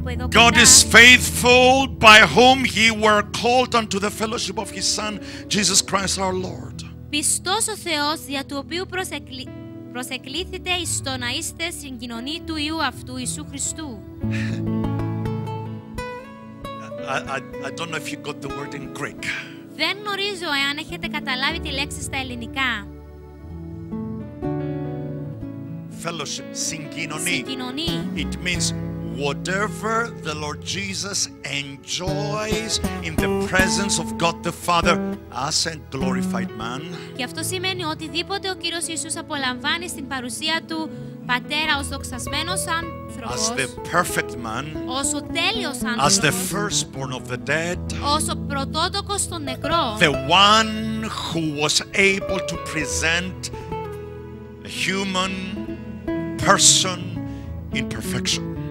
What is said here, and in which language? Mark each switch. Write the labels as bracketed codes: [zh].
[en] God is faithful by whom ye were called unto the fellowship of his Son, Jesus Christ our Lord. [el] Πιστός ο Θεός δια του οποίου προσεκλήθητε εις το να είστε στην κοινωνία του Υιού αυτού Ιησού Χριστού. [en] I don't know if you got the word in Greek. [el] Δεν γνωρίζω εάν έχετε καταλάβει τη λέξη στα ελληνικά. [en] Fellowship, [el] συγκοινωνία. [en] It means whatever the Lord Jesus enjoys in the presence of God the Father as a glorified man. [el] Και αυτό σημαίνει ότι οτιδήποτε ο Κύριος Ιησούς απολαμβάνει στην παρουσία του Πατέρα ως δοξασμένος άνθρωπος. [en] As the perfect man. [el] Ως ο τέλειος άνθρωπος. [en] As the firstborn of the dead. [el] Ως ο πρωτότοκος των νεκρών. [en] The one who was able to present a human person in perfection.